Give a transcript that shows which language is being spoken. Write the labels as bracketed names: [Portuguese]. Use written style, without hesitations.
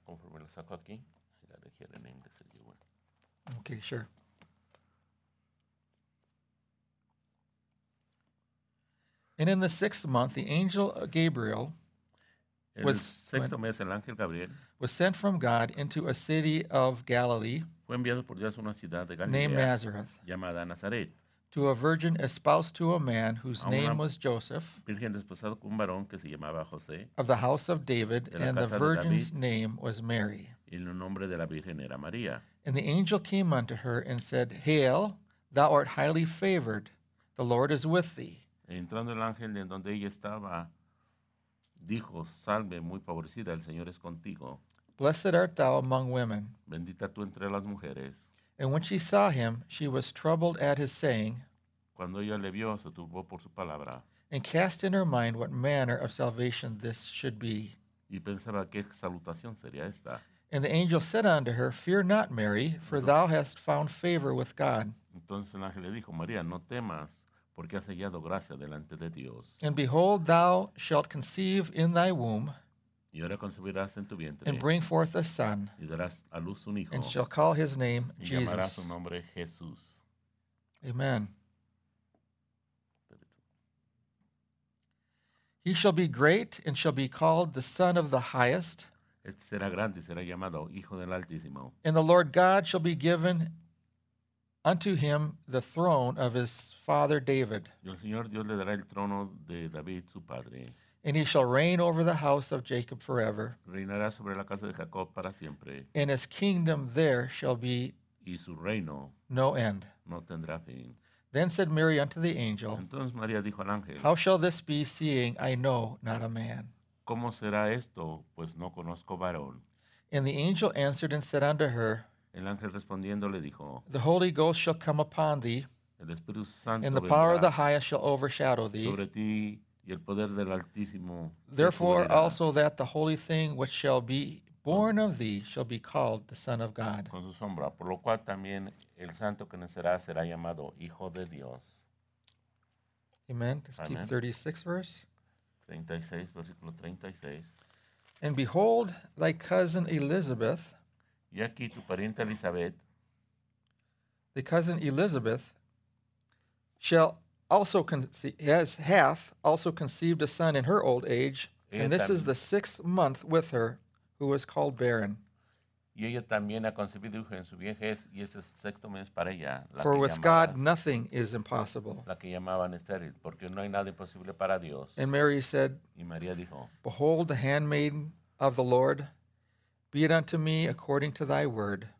[Spanish] Conforme lo saco aquí. [English] I got it here in English. Okay, sure. Okay. And in the sixth month, the angel Gabriel was sent from God into a city of Galilee [Spanish] fue enviado por Dios a una ciudad de Galilea, [English] named Nazareth. [Spanish] Llamada Nazaret. [English] To a virgin espoused to a man whose name was Joseph, [Spanish] virgen desposado con un varón que se llamaba José, [English] of the house of David, and the virgin's name was Mary. [Spanish] Y el nombre de la virgen era María. [English] And the angel came unto her and said, Hail, thou art highly favored, the Lord is with thee. [Spanish] Entrando el ángel en donde ella estaba, dijo, Salve, muy favorecida, el Señor es contigo. [English] Blessed art thou among women. [Spanish] Bendita tú entre las mujeres. [English] And when she saw him, she was troubled at his saying. [Spanish] Cuando ella le vio, se turbó por su palabra. [English] and cast in her mind what manner of salvation this should be. [Spanish] Y pensaba, ¿qué salutación sería esta? [English] And the angel said unto her, Fear not, Mary, for thou hast found favor with God. [Spanish] Entonces el ángel le dijo, María, no temas, porque has hallado gracia delante de Dios. [English] And behold, thou shalt conceive in thy womb, [Spanish] y ahora concebirás en tu vientre, [English] and bring forth a son, [Spanish] y darás a luz un hijo, [English] and shall call his name Jesus. [Spanish] Y llamarás su nombre Jesús. Amen. [English] He shall be great and shall be called the Son of the Highest. [Spanish] Este será grande, será llamado Hijo del Altísimo. [English] And the Lord God shall be given unto him the throne of his father David. [Spanish] Y el Señor Dios le dará el trono de David, su padre. [English] And he shall reign over the house of Jacob forever. [Spanish] Reinará sobre la casa de Jacob para siempre. [English] And his kingdom there shall be [Spanish] y su reino [English] no end. [Spanish] No tendrá fin. [English] Then said Mary unto the angel, [Spanish] entonces María dijo al ángel, [English] How shall this be, seeing I know not a man? [Spanish] ¿Cómo será esto, pues no conozco varón? [English] And the angel answered and said unto her, [Spanish] el ángel respondiendo le dijo, [English] The Holy Ghost shall come upon thee, [Spanish] el Espíritu Santo [English] and the power of the Highest shall overshadow thee. [Spanish] Sobre ti y el poder del Altísimo. [English] Therefore also that the holy thing which shall be born of thee shall be called the Son of God. [Spanish] Con su sombra, por lo cual también el santo que nacerá será llamado Hijo de Dios. [English] Amen. Let's keep 36 verse. [Spanish] 36, versículo 36. [English] And behold, thy cousin Elizabeth. [Spanish] Y aquí tu pariente Elizabeth. [English] The cousin Elizabeth shall also hath also conceived a son in her old age, and this is the sixth month with her, who was called barren. [Spanish] Y ella también ha concebido hijo en su vejez, y este es el sexto mes para ella. [English] For with God nothing is impossible. [Spanish] La que llamaban estéril, porque no hay nada imposible para Dios. [English] And Mary said, [Spanish] y María dijo, [English] Behold, the handmaiden of the Lord, be it unto me according to thy word.